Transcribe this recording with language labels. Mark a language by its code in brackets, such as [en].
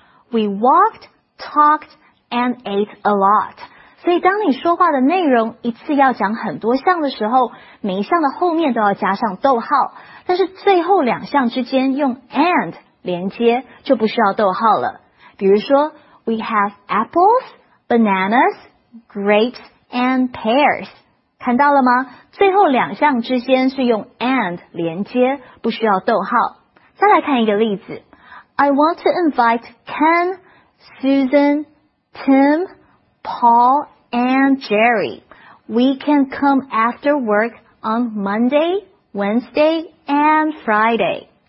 [en] We walked, talked, and ate a lot。 [zh] 所以当你说话的内容一次要讲很多项的时候，每一项的后面都要加上逗号，但是最后两项之间用 and 连接，就不需要逗号了。比如说 [en] ,we have apples, bananas, grapes, and pears. [zh] 看到了吗？最后两项之间是用 and 连接，不需要逗号。再来看一个例子。 [en] I want to invite Ken, Susan, Tim, Paul, and Jerry. We can come after work on Monday, Wednesday, and Friday.